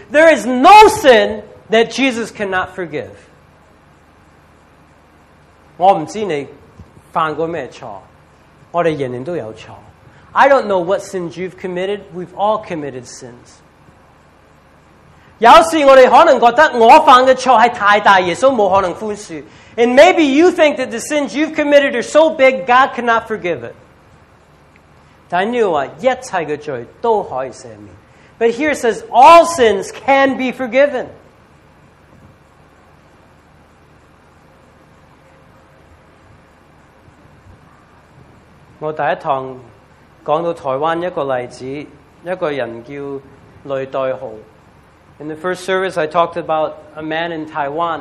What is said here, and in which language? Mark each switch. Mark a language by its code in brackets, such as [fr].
[en] There is no sin that Jesus cannot forgive. [yue] 我唔知你犯过咩错，我哋人人都有错。 [en] I don't know what sins you've committed. We've all committed sins. [yue] 有时我哋可能觉得我犯嘅错系太大，耶稣冇可能宽恕。 [en] And maybe you think that the sins you've committed are so big, God cannot forgive it. [yue] 但你说一切的罪都可以赦免。 [en] But here it says, all sins can be forgiven. [yue] 我第一堂讲到台湾一个例子，一个人叫雷代豪。 [en] In the first service, I talked about a man in Taiwan.